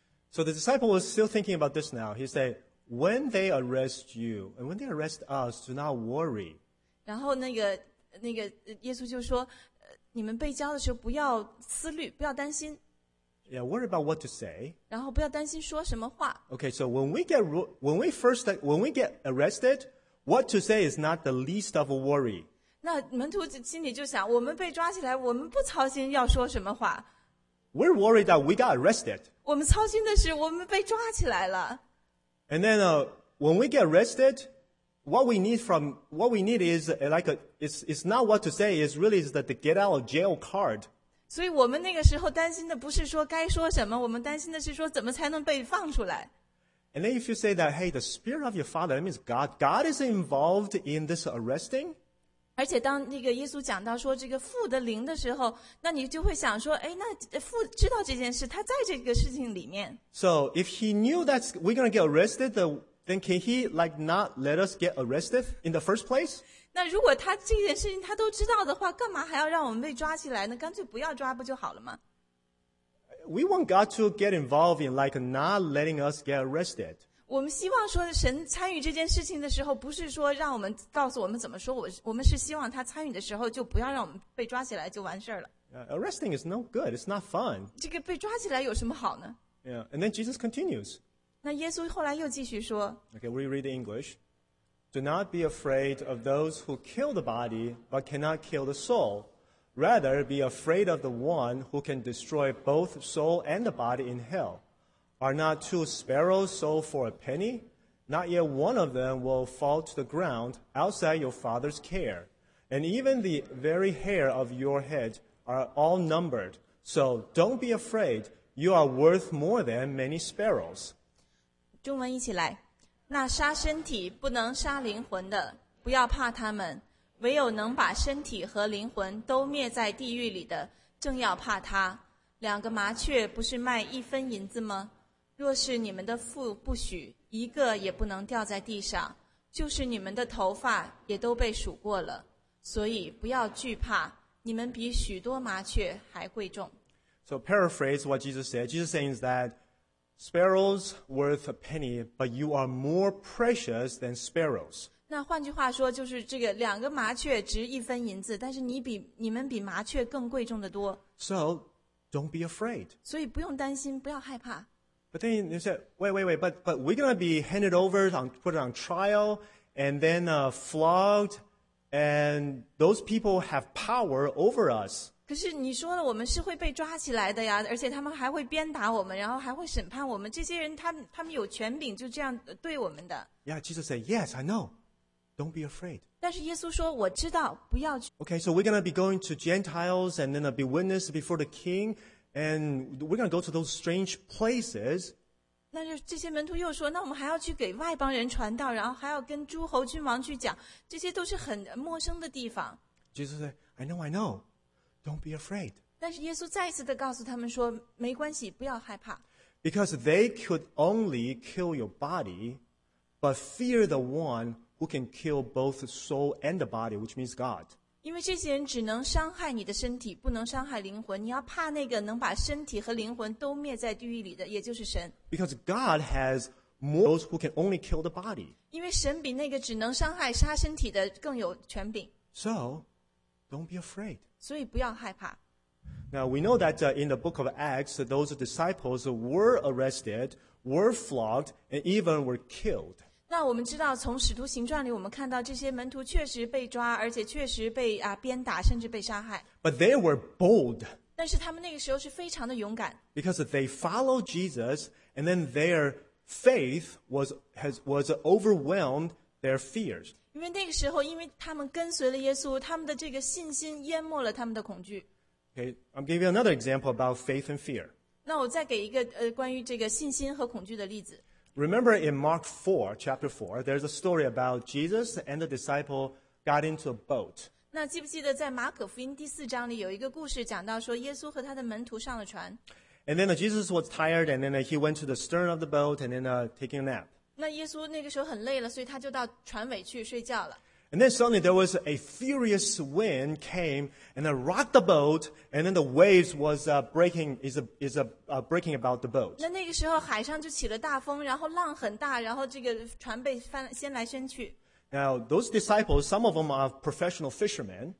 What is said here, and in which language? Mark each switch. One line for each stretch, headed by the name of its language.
English: So the disciple was still thinking about this now. He said, when they arrest you, and when they arrest us, do not worry.
Chinese: 然后那个耶稣就说，你们被交的时候不要思虑，不要担心。
English: Yeah, worry about what to say.
Chinese: 然后不要担心说什么话。
English: Okay, so when we get arrested, what to say is not the least of a worry.
Chinese: 那门徒心里就想，我们被抓起来，我们不操心要说什么话。
English: We're worried that we got arrested.
Chinese: 我们操心的是我们被抓起来了。
English: And then, when we get arrested, what we need is not what to say, it's really the get out of jail card.
Chinese: 所以我们那个时候担心的不是说该说什么，我们担心的是说怎么才能被放出来。
English: And then if you say that, hey, the spirit of your father, that means God is involved in this arresting.
Chinese: 而且当那个耶稣讲到说这个父的灵的时候，那你就会想说，哎，那父知道这件事，他在这个事情里面。
English: So if he knew that we're going to get arrested, then can he like not let us get arrested in the first place?
Chinese: 那如果他这件事情他都知道的话，干嘛还要让我们被抓起来呢？干脆不要抓不就好了吗？
English: We want God to get involved in like not letting us get arrested.
Chinese: 我们希望说神参与这件事情的时候，不是说让我们告诉我们怎么说，我们是希望他参与的时候就不要让我们被抓起来就完事了。
English: Arresting is no good. It's not fun.
Chinese: 这个被抓起来有什么好呢？
English: Yeah. And then Jesus continues.
Chinese: 那耶稣后来又继续说。
English: Okay, we read English. Do not be afraid of those who kill the body but cannot kill the soul. Rather, be afraid of the one who can destroy both soul and the body in hell. Are not two sparrows sold for a penny? Not yet one of them will fall to the ground outside your father's care. And even the very hair of your head are all numbered. So don't be afraid. You are worth more than many sparrows.
Chinese: 中文一起来。那杀身体不能杀灵魂的，不要怕他们；唯有能把身体和灵魂都灭在地狱里的，正要怕他。两个麻雀不是卖一分银子吗？若是你们的父不许，一个也不能掉在地上，就是你们的头发也都被数过了。所以不要惧怕，你们比许多麻雀还贵重。
English: So paraphrase what Jesus said. Jesus says that. Sparrows worth a penny, but you are more precious than sparrows.
Chinese: 那换句话说，就是这个两个麻雀值一分银子，但是你们比麻雀更贵重的多。
English: So, don't be afraid.
Chinese: 所以不用担心，不要害怕。
English: But then you said, wait, but we're gonna be handed over, put on trial, and then flogged, and those people have power over us.
Chinese: 可是你说了，我们是会被抓起来的呀，而且他们还会鞭打我们，然后还会审判我们。这些人他们有权柄，就这样对我们的。
English: Yeah, Jesus said, "Yes, I know. Don't be afraid."
Chinese: 但是耶稣说，我知道，不要去。
English: Okay, so we're gonna be going to Gentiles and then be witness before the king, and we're gonna go to those strange places.
Chinese: 那就这些门徒又说，那我们还要去给外邦人传道，然后还要跟诸侯君王去讲，这些都是很陌生的地方。
English: Jesus said, "I know, I know." Don't be afraid.
Chinese: 但是耶稣再一次地告诉他们说，没关系，不要害怕。
English: Because they could only kill your body, but fear the one who can kill both the soul and the body, which means God.
Chinese: 因为这些人只能伤害你的身体，不能伤害灵魂。你要怕那个能把身体和灵魂都灭在地狱里的，也就是神。
English: Because God has more those who can only kill the body.
Chinese: 因为神比那个只能伤害杀身体的更有权柄。
English: So, don't be afraid.
Chinese: 所以不要害怕。
English: Now we know that in the book of Acts, those disciples were arrested, were flogged, and even were killed.
Chinese: 那我们知道，从《使徒行传》里，我们看到这些门徒确实被抓，而且确实被鞭打，甚至被杀害。
English: But they were bold.
Chinese: 但是他们那个时候是非常的勇敢。
English: Because they followed Jesus, and then their faith was overwhelmed their fears.
Chinese: 因为那个时候，因为他们跟随了耶稣，他们的这个信心淹没了他们的恐惧。
English: Okay, I'm giving you another example about faith and fear.
Chinese: 那我再给一个关于这个信心和恐惧的例子。
English: Remember in Mark 4, chapter 4, there's a story about Jesus and the disciple got into a boat.
Chinese: 那记不记得在马可福音第四章里有一个故事讲到说耶稣和他的门徒上了船。
English: And then Jesus was tired and then he went to the stern of the boat and then taking a nap.
Chinese: 那耶稣那个时候很累了，所以他就到船尾去睡觉了。
English: And then suddenly there was a furious wind came and it rocked the boat and then the waves was breaking about the boat.
Chinese: 那个时候海上就起了大风，然后浪很大，然后这个船被翻，掀来掀去。
English: Now those disciples, some of them are professional fishermen.